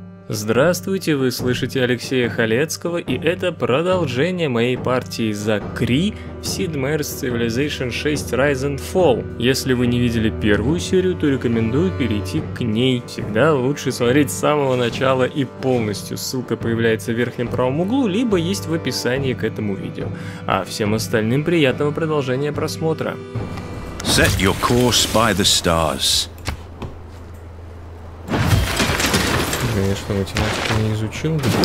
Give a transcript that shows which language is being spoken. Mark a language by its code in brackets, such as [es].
[ru] Здравствуйте, вы слышите Алексея Халецкого, и это продолжение моей партии за Кри в Sid Meier's Civilization 6 Rise and Fall. Если вы не видели первую серию, то рекомендую перейти к ней. Всегда лучше смотреть с самого начала и полностью. Ссылка появляется в верхнем правом углу, либо есть в описании к этому видео. А всем остальным приятного продолжения просмотра. [en] Set your course by the stars. [ru] Конечно, математику не изучил.